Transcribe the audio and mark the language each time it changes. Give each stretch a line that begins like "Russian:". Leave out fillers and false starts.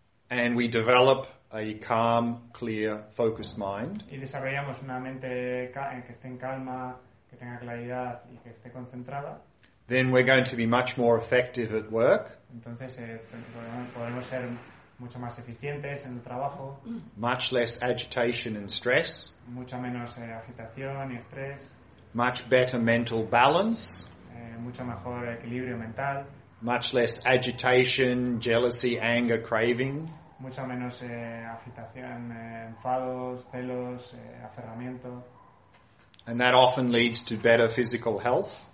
English: and we develop a calm, clear, focused mind,
Spanish: y desarrollamos una mente en que esté en calma, que tenga claridad y que esté concentrada,
English: then we're going to be much more effective at work.
Spanish: Entonces podemos ser mucho más eficientes en el trabajo.
English: Much less agitation and stress.
Spanish: Mucho menos agitación y estrés.
English: Much better mental balance.
Spanish: Mucho mejor equilibrio mental.
English: Much less agitation, jealousy, anger, craving.
Spanish: Mucho menos agitación, enfados, celos, aferramiento.
English: And that often leads to better physical health.